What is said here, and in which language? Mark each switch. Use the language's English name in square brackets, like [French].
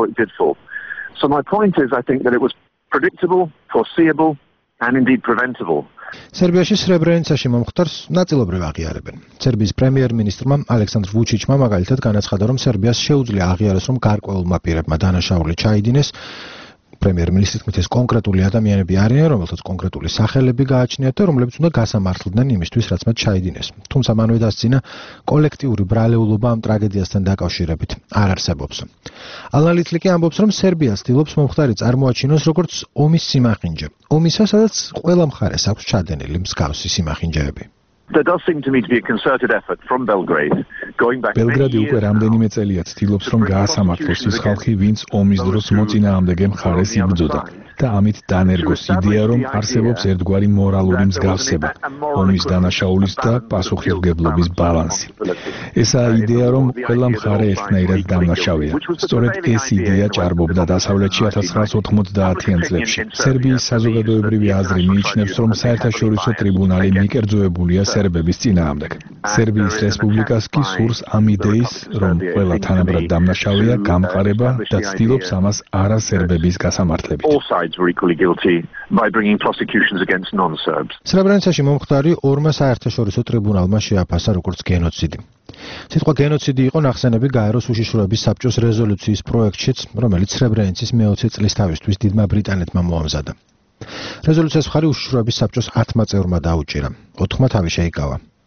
[English] So my point is I think that it was predictable, foreseeable and indeed preventable. [Georgian] სერბიაში სრებრენიცაში მომხდარს ნაწილობრივ აღიარებენ. სერბიის პრემიერ-მინისტრმა ალექსანდრ ვუჩიჩმა მაგალითად განაცხადა, რომ სერბიას შეუძლია აღიაროს, რომ გარკვეულმა პირებმა დანაშაული ჩაიდინეს. პრემიერ-მინისტრის თქმით ეს კონკრეტული ადამიანები არიან, რომელთაც კონკრეტული სახელები გააჩნიათ და რომლებიც უნდა გასამართლდნენ იმისთვის, რაც მათ ჩაიდინეს. თუმცა მანვე დასძინა კოლექტიური ბრალეულობა ამ ტრაგედიასთან დაკავშირებით არ არსებობს. ანალიტიკი კი ამბობს, რომ სერბია ცდილობს მომხდარი წარმოაჩინოს როგორც ომის სიმახინჯე, ომისა, სადაც ყველა მხარეს აქვს ჩადენილი მსგავსი სიმახინჯეები. [English] There does seem to me to be a concerted effort from Belgrade going back to [Georgian] Belgrade უკვე რამდენიმე წელია ცდილობს რომ გაასამართლოს ის ხალხი ვინც ომის დროს მოწინააღმდეგე მხარეს იბრძოდა და ამით დანერგოს იდეა რომ არსებობს ერთგვარი მორალური მსგავსება ომის დანაშაულის და პასუხისმგებლობის ბალანსი. ესაა იდეა რომ ყველა მხარე ერთნაირად დანაშაულია. სწორედ ეს იდეა ჭარბობდა დასავლეთში 1990-იან წლებში. სერბიის საზოგადოებრივი აზრი მიიჩნევს რომ საერთაშორისო ტრიბუნალი მიკერძოებულია სერბების წინააღმდეგ. სერბიის რესპუბლიკას კი სურს ამ იდეის რომ ყველა თანაბრად დანაშაულია გამყარება და ცდილობს ამას არა სერბების გასამართლებით. [English] Sides were equally guilty by bringing prosecutions against non-Serbs. [Georgian] Srebrenicaში მომხდარი ორმა საერთაშორისო ტრიბუნალმა შეაფასა როგორც გენოციდი. სიტყვა გენოციდი იყო ნახსენები გაეროს უშიშროების საბჭოს რეზოლუციის პროექტშიც, რომელიც სრებრენიცის მე-20 წლისთავისთვის დიდმა ბრიტანეთმა მოამზადა. რეზოლუციას მხარი უშიშროების საბჭოს 10 წევრმა დაუჭირა, 4-მა თავი შეიკავა.